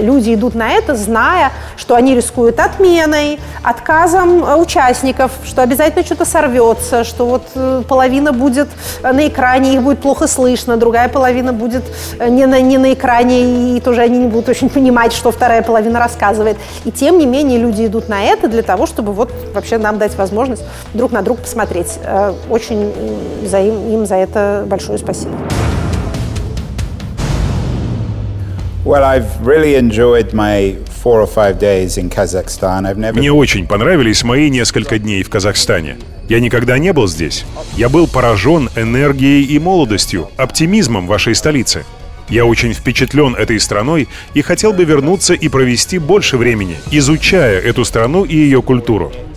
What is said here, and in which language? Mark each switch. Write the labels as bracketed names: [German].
[Russian] Люди идут на это, зная, что они рискуют отменой, отказом участников, что обязательно что-то сорвется, что вот половина будет на экране, их будет плохо слышно, другая половина будет не на экране, и тоже они не будут очень понимать, что вторая половина рассказывает. И тем не менее люди идут на это для того, чтобы вот вообще нам дать возможность друг на друга посмотреть. Очень им за это большое спасибо. [English] Well, I've really enjoyed my 4 or 5 days in Kazakhstan. [Russian] Мне очень понравились мои несколько дней в Казахстане. Я никогда не был здесь. Я был поражен энергией и молодостью, оптимизмом вашей столицы. Я очень впечатлен этой страной и хотел бы вернуться и провести больше времени, изучая эту страну и ее культуру.